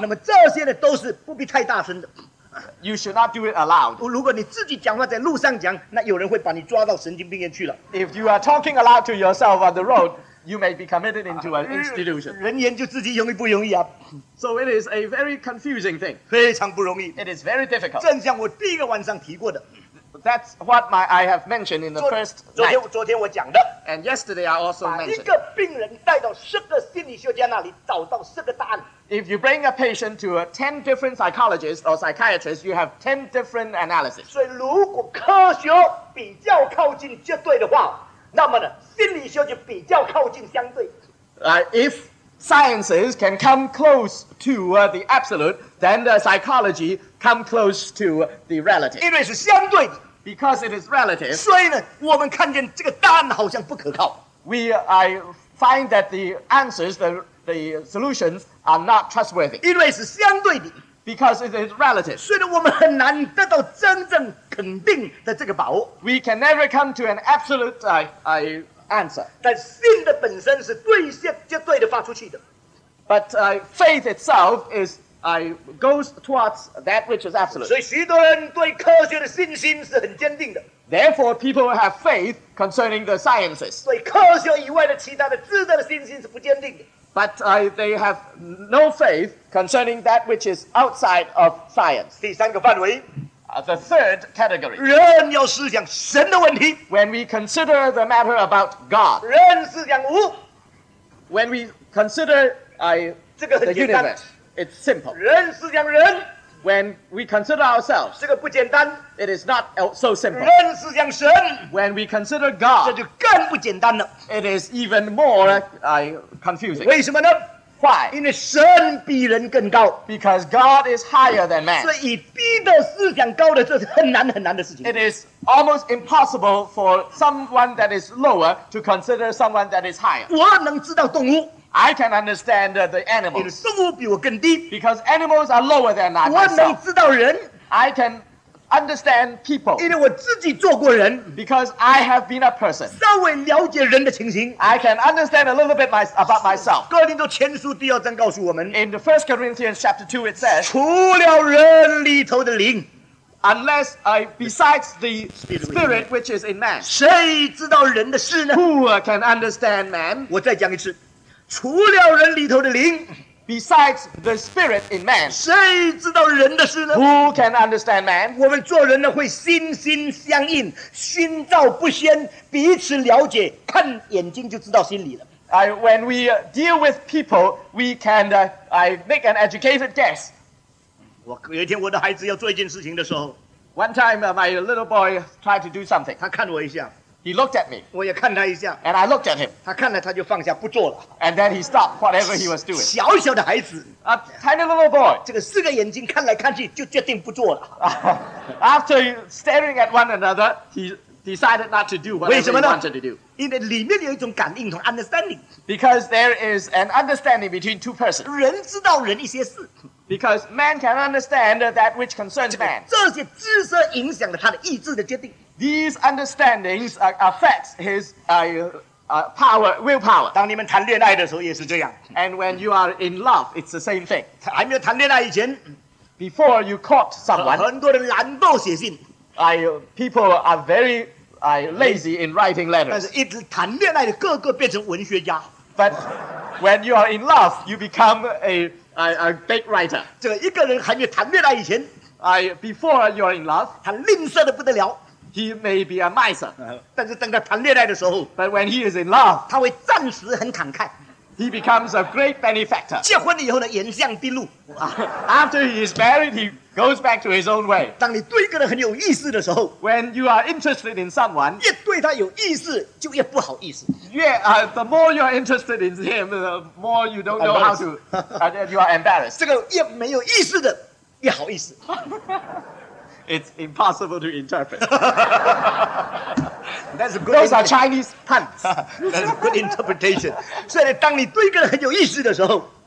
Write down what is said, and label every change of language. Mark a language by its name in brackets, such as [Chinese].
[Chinese] 那么这些都是不必太大声的。 [English] You should not do it aloud. [Chinese] 如果你自己讲话在路上讲, 那有人会把你抓到神经病院去了。 [English] If you are talking aloud to yourself on the road, you may be committed into an institution. [Chinese] 人研究自己容易不容易啊? [English] So it is a very confusing thing. [Chinese] 非常不容易。 [English] It is very difficult. [Chinese] 正像我第一个晚上提过的。 [English] That's what I have mentioned in the first night. [Chinese] 昨天我讲的, [English] and yesterday I also mentioned. [Chinese] 把一个病人带到10个心理学家那里找到10个答案。 [English] If you bring a patient to 10 different psychologists or psychiatrists, you have 10 different analyses. [Chinese] 所以如果科学比较靠近绝对的话, 那么呢, 心理学就比较靠近相对。 [English] If sciences can come close to the absolute, then the psychology come close to the relative. [Chinese] 因为是相对, [English] because it is relative. [Chinese] 所以呢, 我们看见这个答案好像不可靠。 [English] We find that the answers, the solutions are not trustworthy. [Chinese] 因为是相对的, [English] because it is relative. [Chinese] 虽然我们很难得到真正肯定的这个把握, [English] we can never come to an absolute answer. [Chinese] 但信的本身是对接绝对的发出去的, [English] but faith itself is goes towards that which is absolute. [Chinese] 所以许多人对科学的信心是很坚定的。 [English] Therefore, people have faith concerning the sciences. [Chinese] 对科学以外的其他的知识的信心是不坚定的。 [English] But they have no faith concerning that which is outside of science. [Chinese] 第三个范围, [English] the third category. [Chinese] 人要思想神的问题, [English] when we consider the matter about God. [Chinese] 人思想无, [English] when we consider the universe, it's simple. [Chinese] 人思想人, [English] when we consider ourselves, [Chinese] 这个不简单, [English] it is not so simple. [Chinese] 人思想神, [English] when we consider God, [Chinese] 这就更不简单了, [English] it is even more confusing. [Chinese] 为什么呢? [English] Why? [Chinese] 因为神比人更高, [English] because God is higher than man. [Chinese] 所以以逼的思想高的这是很难很难的事情。 [English] It is almost impossible for someone that is lower to consider someone that is higher. [Chinese] 我能知道动物, [English] I can understand the animals. [Chinese] 因为动物比我更低, [English] because animals are lower than I myself. [Chinese] 我能知道人, [English] I can understand people. [Chinese] 因为我自己做过人, [English] because I have been a person. [Chinese] 稍微了解人的情形, [English] I can understand a little bit about myself. [Chinese] 哥林多前书第二章告诉我们, [English] in the 1 Corinthians chapter 2 it says, [Chinese] 除了人里头的灵, [English] unless besides the spirit which is in man, [Chinese] 谁知道人的事呢? [English] Who can understand man? [Chinese] 我再讲一次, 除了人里头的灵, [English] besides the spirit in man, [Chinese] 谁知道人的事呢? [English] Who can understand man? [Chinese] 我们做人呢会心心相印, 心照不宣, 彼此了解, 看眼睛就知道心里了。 [English] When we deal with people, we can make an educated guess. [Chinese] 有一天我的孩子要做一件事情的时候, [English] one time my little boy tried to do something. [Chinese] 他看我一下, [English] he looked at me. [Chinese] 我也看他一下, [English] and I looked at him. [Chinese] 他看了他就放下不做了, [English] and then he stopped whatever he was doing. [Chinese] 小小的孩子, [English] a tiny little boy. [Chinese] 这个四个眼睛看来看去就决定不做了。 [English] After staring at one another, he decided not to do whatever he wanted to do. [Chinese] 因为里面有一种感应同 understanding. [English] Because there is an understanding between two persons. [Chinese] 人知道人一些事, [English] because man can understand that which concerns man. [Chinese] 这些知识影响了他的意志的决定。 [English] These understandings affect his power, willpower. [Chinese] 当你们谈恋爱的时候也是这样。 [English] And when you are in love, it's the same thing. [Chinese] 还没有谈恋爱以前, [English] before you caught someone, [Chinese] 很多人懒惰写信, [English] people are very I lazy in writing letters. [Chinese] 但是一直谈恋爱的个个变成文学家。 [English] But when you are in love, you become a big writer. [Chinese] 这个一个人还没谈恋爱以前 [English] before you are in love, [Chinese] 他吝啬的不得了。 [English] He may be a miser. [Chinese] 但是等他谈恋爱的时候 [English] But when he is in love, [Chinese] 他会暂时很慷慨。 [English] He becomes a great benefactor. [Chinese] 结婚了以后呢，原相毕露。 [English] After he is married, he goes back to his own way. [Chinese] 当你对一个人很有意思的时候 [English] ，When you are interested in someone, [Chinese] 越对他有意思，就越不好意思。 [English] The more you are interested in him, the more you don't know how to, you are embarrassed. [Chinese] 这个越没有意思的，越好意思。 [English] It's impossible to interpret. That's a good Those are Chinese puns. That's a good interpretation. [Chinese] 所以当你对一个人很有意思的时候